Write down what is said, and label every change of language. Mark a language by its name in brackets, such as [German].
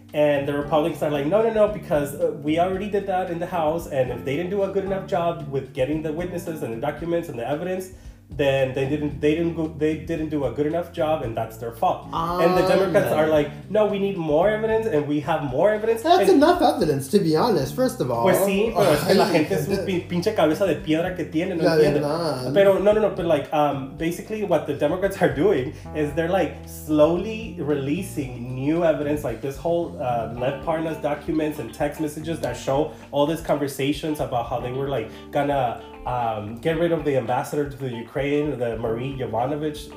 [English] And the Republicans are like, no, because we already did that in the House. And if they didn't do a good enough job with getting the witnesses and the documents and the evidence, then they didn't do a good enough job, and that's their fault. And the Democrats are like, no, we need more evidence, and we have more evidence. That's and enough evidence, to be honest, first of all. [Spanish] Pues sí, pero es que la gente es un pinche cabeza de piedra que tiene, no entiende. Pero no, [English] but like, basically what the Democrats are doing is they're like slowly releasing new evidence, like this whole Lev Parnas documents and text messages that show all these conversations about how they were like gonna get rid of the ambassador to the Ukraine, the Marie Yovanovitch.